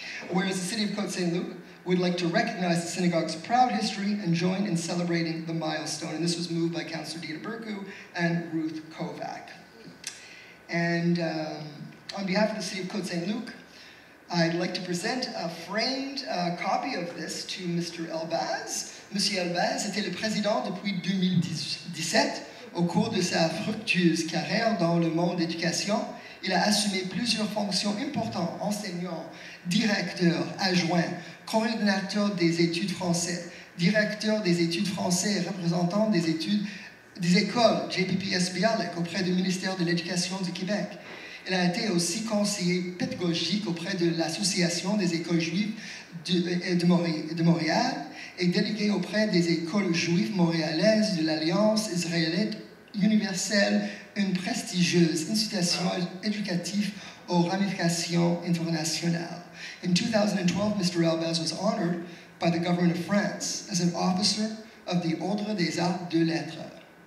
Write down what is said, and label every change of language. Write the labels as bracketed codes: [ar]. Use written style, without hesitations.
[en] Whereas the city of Côte Saint-Luc would like to recognize the synagogue's proud history and join in celebrating the milestone. And this was moved by Councillor Dita Burke and Ruth Kovac. And on behalf of the city of Côte Saint-Luc, I'd like to present a framed copy of this to Mr. [fr] Elbaz. Monsieur Elbaz était le président depuis 2017. Au cours de sa fructueuse carrière dans le monde d'éducation, il a assumé plusieurs fonctions importantes, enseignant, directeur, adjoint, coordinateur des études français, directeur des études français et représentant des études des écoles, JPPS Bialik, auprès du ministère de l'Éducation du Québec. Il a été aussi conseiller pédagogique auprès de l'Association des écoles juives de Montréal et délégué auprès des écoles juives montréalaises de l'Alliance israélite universelle, une prestigieuse institution éducative aux ramifications internationales. [en] In 2012, Mr. Elbaz was honored by the government of France as an officer of the Ordre des Arts de Lettres.